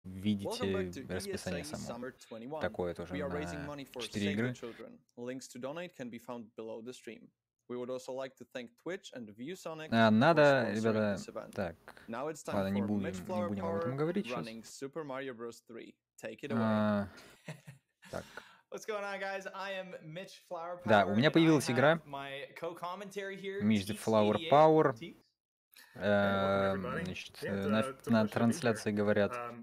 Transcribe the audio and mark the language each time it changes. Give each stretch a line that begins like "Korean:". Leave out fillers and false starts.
Russian: видите расписание само. Такое тоже на 4 игры.
English: Links to donate can be found below the stream. We would also like to thank Twitch and ViewSonic.
Russian: А надо, ребята, так. Ладно, не будем об этом говорить сейчас.
English: Super Mario Bros. 3. Take it away.
Russian: Так.
English: What's going on, guys? I am Mitch Flower Power.
Russian: Да, у меня появилась игра.
English: Mitch the Flower Power.
Russian: Значит, на трансляции говорят.